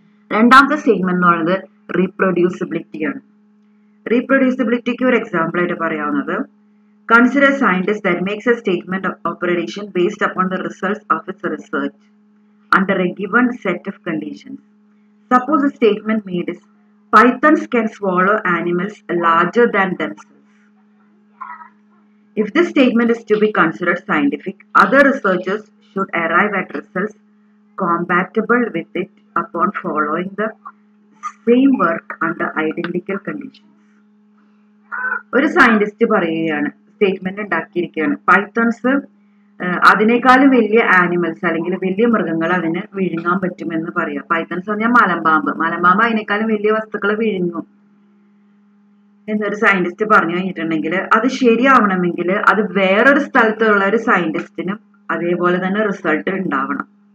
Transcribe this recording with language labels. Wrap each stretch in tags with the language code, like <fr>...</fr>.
<ml>രണ്ടാമത്തെ സ്റ്റേറ്റ്മെന്റ് എന്ന് പറയുന്നത് റീപ്രൊഡ്യൂസിബിലിറ്റിയാണ്. റീപ്രൊഡ്യൂസിബിലിറ്റിക്ക് ഒരു എക്സാമ്പിൾ ആയിട്ട് പറയാവുന്നത്,</ml> <en>Consider scientist that makes a statement of prediction based upon the results of its research under a given set of conditions. Suppose a statement made is pythons can swallow animals larger than themselves. If this statement is to be considered scientific, other researchers should arrive at results compatible with it upon following the same work under identical conditions.</en> <ml>ഒരു scientist പറയുകയാണ്, statement ഉണ്ടാക്കിയിരിക്കുകയാണ്, pythons അതിനേക്കാളും വലിയ animals അല്ലെങ്കിൽ വലിയ മൃഗങ്ങൾ അതിന് വിഴുങ്ങാൻ പറ്റുമെന്ന് പറയാം. പൈത്തൺസ് എന്ന് പറഞ്ഞാൽ മലമ്പാമ്പ്, മലമ്പാമ്പ് അതിനേക്കാളും വലിയ വസ്തുക്കൾ വിഴുങ്ങും എന്നൊരു സയന്റിസ്റ്റ് പറഞ്ഞു കഴിഞ്ഞിട്ടുണ്ടെങ്കിൽ, അത് ശരിയാവണമെങ്കിൽ അത് വേറൊരു സ്ഥലത്തുള്ള ഒരു സയന്റിസ്റ്റിനും അതേപോലെ തന്നെ റിസൾട്ട് ഉണ്ടാവണം.</ml>